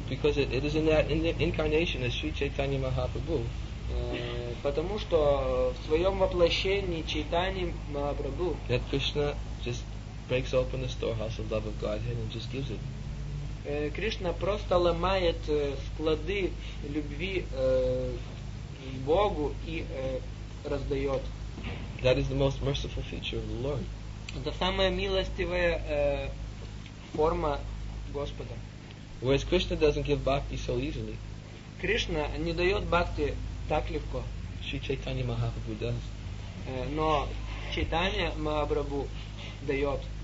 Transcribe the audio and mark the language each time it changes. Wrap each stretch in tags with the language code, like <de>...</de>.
<en>Because it is in that in the incarnation as Sri Chaitanya Mahaprabhu.</en> <ru>Потому что в своем воплощении Чайтани Махапрабху.</ru> <en>That Krishna just breaks open the storehouse of love of Godhead and just gives it.</en> <ru>Кришна просто ломает склады любви к Богу и раздает.</ru> <en>That is the most merciful feature of the Lord.</en> <ru>Это самая милостивая форма Господа.</ru> <en>Whereas Krishna doesn't give bhakti so easily.</en> <ru>Кришна не дает бхакти так легко.</ru> <en>Шри Чайтанья Махапрабху does.</en> <ru>Но Чайтанья Махапрабху дает.</ru>